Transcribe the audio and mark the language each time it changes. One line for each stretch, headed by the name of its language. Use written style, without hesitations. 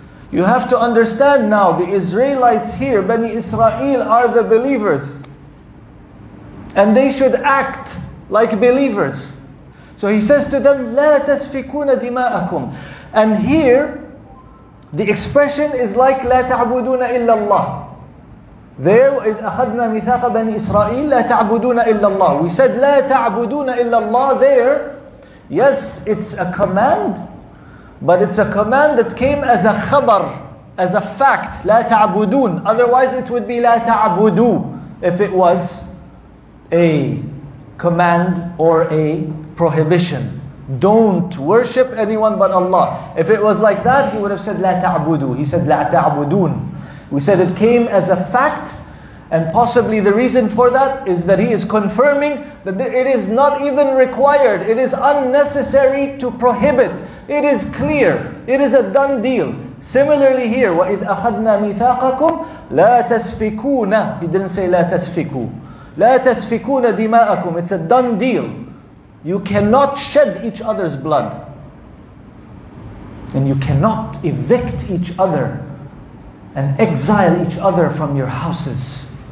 English: You have to understand now, the Israelites here, Bani Israel, are the believers. And they should act like believers. So he says to them,
Arabic: لا تسفكون دماءكم.
English: And here, the expression is like,
Arabic: لا تعبدون إلا الله. There, وَإِذْ أَخَذْنَا مِثَاقَ بَنِي إِسْرَائِيلَ لَا تَعْبُدُونَ إِلَّا اللَّهِ.
English: We said,
Arabic: لَا تَعْبُدُونَ إِلَّا اللَّهِ.
English: There, yes, it's a command, but it's a command that came as a khabar, as a fact.
Arabic: لَا تَعْبُدُونَ.
English: Otherwise, it would be
Arabic: لَا تَعْبُدُوا
English: if it was a command or a prohibition. Don't worship anyone but Allah. If it was like that, he would have said,
Arabic: لَا تَعْبُدُوا.
English: He said,
Arabic: لَا تَعْبُدُونَ.
English: We said it came as a fact, And possibly the reason for that is that he is confirming that it is not even required, it is unnecessary to prohibit. It is clear, it is a done deal. Similarly here,
Arabic: وَإِذْ أَخَذْنَا مِثَاقَكُمْ لَا تَسْفِكُونَ.
English: He didn't say
Arabic: لَا تَسْفِكُوا. لَا تَسْفِكُونَ دِمَاءَكُمْ.
English: It's a done deal. You cannot shed each other's blood. And you cannot evict each other and exile each other from your houses.